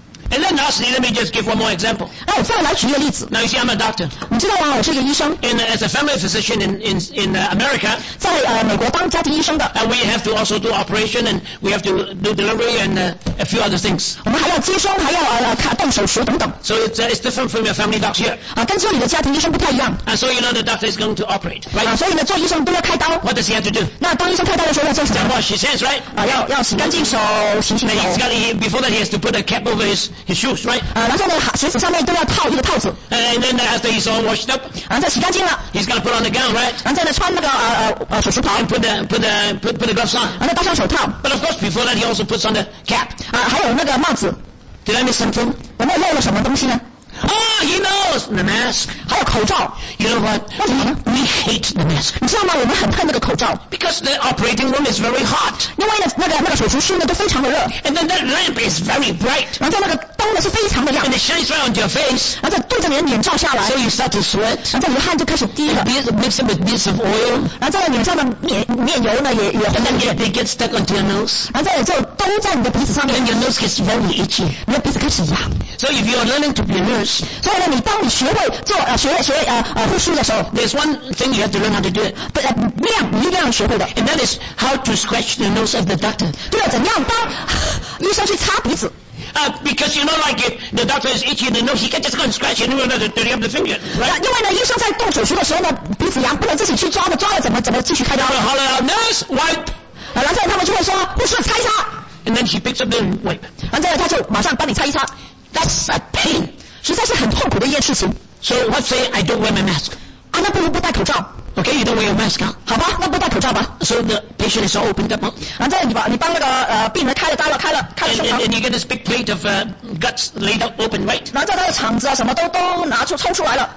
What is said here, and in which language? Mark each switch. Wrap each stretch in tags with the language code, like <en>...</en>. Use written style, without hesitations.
<en>And then lastly, let me just give one more example.</en> <zh>哎，我再来举一个例子</zh> <en>Now, you see, I'm a doctor.</en> <zh>你知道吗？我是一个医生</zh> <en>And as a family physician in America,</en> <zh>在美国当家庭医生的</zh> <en>And we have to also do operation and we have to do delivery anda few other things.</en> <zh>我们还要接生，还要动手术等等。</zh> <en>So it's different from your family doctor here.</en> <zh>啊，跟这里的家庭医生不太一样。</zh> <en>And so you know the doctor is going to operate, right?</en> <zh>啊，所以呢，做医生都要开刀。</zh> <en>What does he have to do?</en> <zh>那当医生开刀的时候要做什么</zh> <en>？Wash his hands, right?</en> <zh>啊，要洗干净手，洗洗手。</zh> <en>He's got before that he has to put a cap over his shoes, right?</en> <zh>啊，然后呢，鞋子上面都要套一个套子。</zh> <en>And then after he's all washed up,</en> <zh>然后洗干净了</zh> <en>，he's got to put on the gown, right?</en> <zh>然后呢，穿那个手术袍</zh> <en>，and put the gloves on.</en> <zh>然后戴上手套。</zh> <en>But of course, before that he also puts on the cap.</en> <zh>啊，还有那个帽子。</zh> <en>Did I miss something?</en> <zh>我们漏了什么东西呢？</zh> <en>Oh, he knows the mask.</en> <zh>还有口罩。</zh> <en>You know what?</en> <zh>为什么呢？</zh> <en>We hate the mask.</en> <zh>你知道吗？我们很恨那个口罩。</zh> <en>Because the operating room is very hot.</en> <zh>因为那个手术室呢都非常的热。</zh> <en>And then that lamp is very bright.</en> <zh>然后那个灯呢是非常的亮。</zh> <en>And it shines right on your face.</en> <zh>然后对着你的脸照下来。</zh> <en>So you start to sweat.</en> <zh>然后你的汗就开始滴了。</zh> <en>Mixed with bits of oil.</en> <zh>然后你上的面油呢也红了。</zh> <en>And then it gets stuck onto your nose.</en> <zh>然后就都在你的鼻子上面。</zh> <en>And your nose gets very itchy.</en> <zh>你的鼻子开始痒。</zh> <en>So if you are learning to be a nurse.</en> <zh>所以呢，你当你学会做护士的时候</zh> <en>，There's one thing you have to learn how to do.</en> <zh>不，一定要学会的。</zh> <en>And that is how to scratch the nose of the doctor.</en> <zh>对了，怎样帮医生去擦鼻子？</zh> <en>Because you know, like if the doctor is itching the nose, he can just go and scratch and you know, dirty up the finger. Right?</en> <zh>因为呢，医生在动手术的时候呢，鼻子痒，不能自己去抓的，抓了怎么继续开刀？好了</zh> <en>，nurse wipe.</en> <zh>然后他们就会说，护士擦一擦。</zh> <en>And then she picks up the wipe.</en> <zh>然后他就马上帮你擦一擦。</zh> <en>That's a pain.</en> <zh>实在是很痛苦的一件事情。</zh> <en>So let's say I don't wear my mask.</en> <zh>啊，那不如不戴口罩。</zh> <en>Okay, you don't wear your mask.、</en> <zh>好吧，那不戴口罩吧。</zh> <en>So the patient is all opened up.</en> <zh>然后你帮那个病人开了刀了，开了胸膛。</zh> <en>And you get this big plate of guts laid out open, right?</en> <zh>然后他的肠子啊什么都拿出冲出来了。</zh>